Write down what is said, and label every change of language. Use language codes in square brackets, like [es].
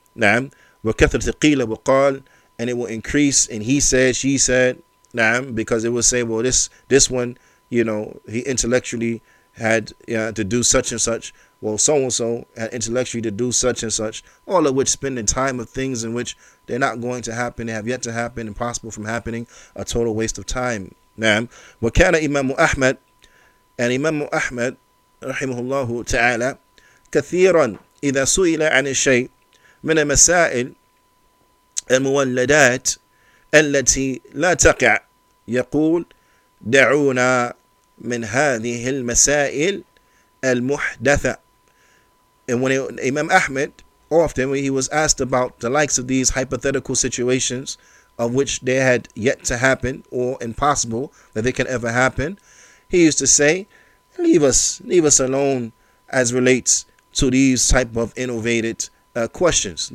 [en] نعم, [ar] وكثرة قيل وقال, [en] and it will increase, and he said, she said, نعم, because it will say, well, this one, you know, he intellectually had to do such and such, well, so and so had intellectually to do such and such, all of which spending time of things in which they're not going to happen, they have yet to happen, impossible from happening, a total waste of time. Naam. [ar] وكان إمام أحمد, and إمام أحمد رحمه الله تعالى كثيرا إذا سئل عن الشيء من المسائل المولدات التي لا تقع يقول دعونا من هذه المسائل المحدثة. [en] And when Imam Ahmed, often when he was asked about the likes of these hypothetical situations of which they had yet to happen or impossible that they can ever happen, he used to say, leave us alone as relates to these type of innovated questions.